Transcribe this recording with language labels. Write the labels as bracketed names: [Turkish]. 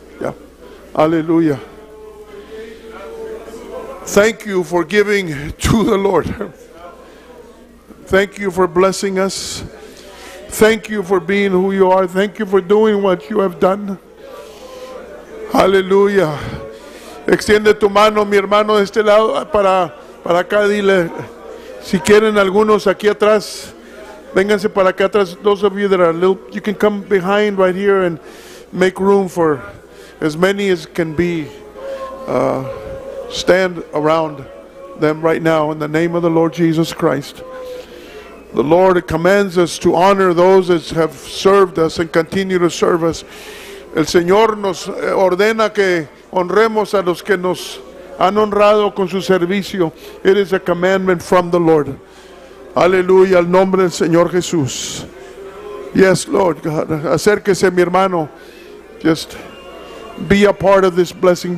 [English] Yeah. Aleluya. Thank you for giving to the Lord. Thank you for blessing us. Thank you for being who you are. Thank you for doing what you have done. Hallelujah. [Spanish] Extiende tu mano, mi hermano, de este lado para acá. Dile, si quieren algunos aquí atrás, vénganse para acá atrás. [English] Those of you that are little, you can come behind right here and make room for as many as can be. Stand around them right now in the name of the Lord Jesus Christ. The Lord commands us to honor those that have served us and continue to serve us. [Spanish] El Señor nos ordena que honremos a los que nos han honrado con su servicio. [English] It is a commandment from the Lord. Aleluya, [Spanish] al nombre del Señor Jesús. [English] Yes, Lord God, [Spanish] acérquese, mi hermano. [English] Just be a part of this blessing.